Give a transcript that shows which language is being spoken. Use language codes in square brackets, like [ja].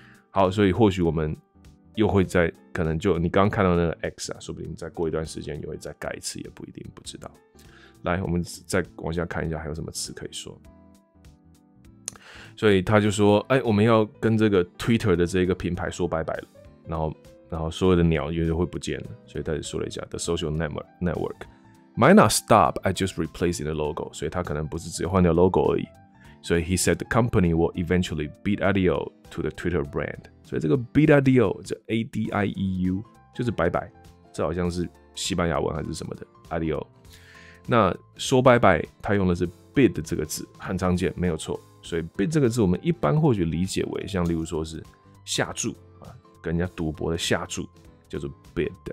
[zh] 好，所以或许我们又会在可能就你刚刚看到那个 X 啊，说不定再过一段时间又会再改一次，也不一定，不知道。来，我们再往下看一下还有什么词可以说。所以他就说，我们要跟这个 Twitter 的这个品牌说拜拜了，然后所有的鸟也就会不见了。所以他就说了一下 ， [en] the social network might not stop at just replacing the logo， [zh] 所以他可能不是只换掉 logo 而已。所以 [en] he said the company will eventually bid adieu to the Twitter brand。 [zh] 所以这个 bid adieu， 这 A D I E U 就是拜拜，这好像是西班牙文还是什么的 adieu。那说拜拜，他用的是 bid 这个字，很常见，没有错。所以 bid 这个字我们一般或许理解为像例如说是下注，跟人家赌博的下注叫做 bid。